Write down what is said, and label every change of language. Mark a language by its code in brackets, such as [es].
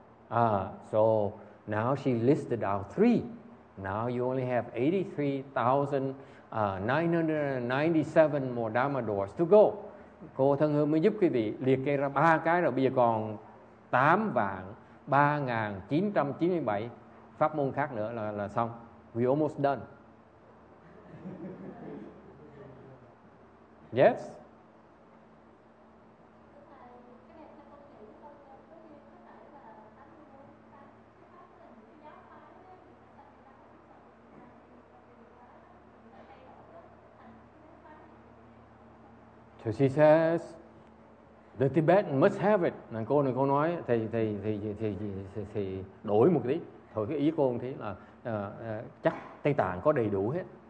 [en] So now she listed out three. Now you only have 83,997 more Dharma doors to go. [vi] Cô thân hương mới giúp quý vị liệt kê ra ba cái rồi, bây giờ còn 83,997 pháp môn khác nữa là xong. [en] We almost done. Yes? So she says, the Tibetan must have it. [vi] Nàng cô này cô nói, thì đổi một tí. Thôi cái ý cô không thế là chắc Tây Tạng có đầy đủ hết.